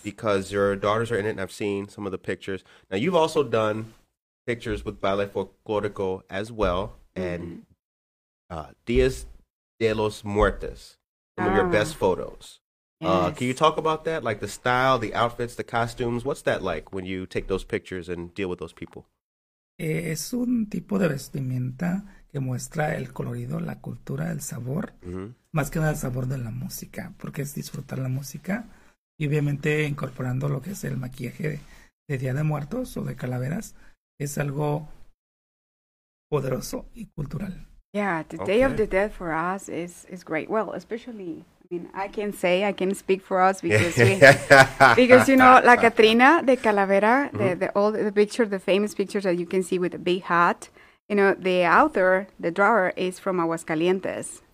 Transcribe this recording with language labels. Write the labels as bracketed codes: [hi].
[en] Because your daughters are in it, and I've seen some of the pictures. Now, you've also done pictures with Ballet Folklorico as well, and Dias de los Muertos, some of your best photos. Yes. Can you talk about that, like the style, the outfits, the costumes? What's that like when you take those pictures and deal with those people? [es] Es un tipo de vestimenta que muestra el colorido, la cultura, el sabor, más que nada el sabor de la música, porque es disfrutar la música y obviamente incorporando lo que es el maquillaje de Día de Muertos o de Calaveras, es algo poderoso y cultural. [en] Yeah, the Day of the Dead for us is great. Well, especially, I mean, I can speak for us because because you know, la Catrina de Calavera, the picture, the famous picture that you can see with the big hat. You know, the author, the drawer, is from Aguascalientes.